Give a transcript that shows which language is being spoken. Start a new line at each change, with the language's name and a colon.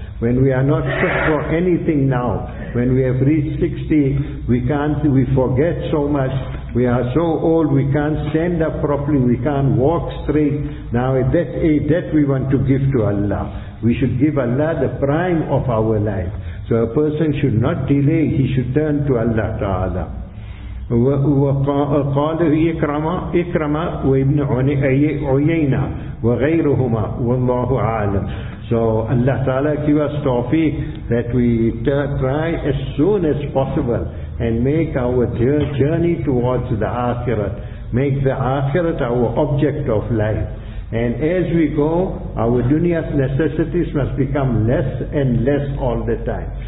English: When we are not fit for anything now, when we have reached 60, we forget so much, we are so old, we can't stand up properly, we can't walk straight. Now at that age, that we want to give to Allah. We should give Allah the prime of our life. So a person should not delay, he should turn to Allah Ta'ala.
Arabic: وقال إكرمة إكرمة وابن عيينة وغيرهما والله عالم.
English: So Allah Ta'ala give us tawfiq that we try as soon as possible and make our journey towards the Akhirat, make the Akhirat our object of life. And as we go, our dunya's necessities must become less and less all the time.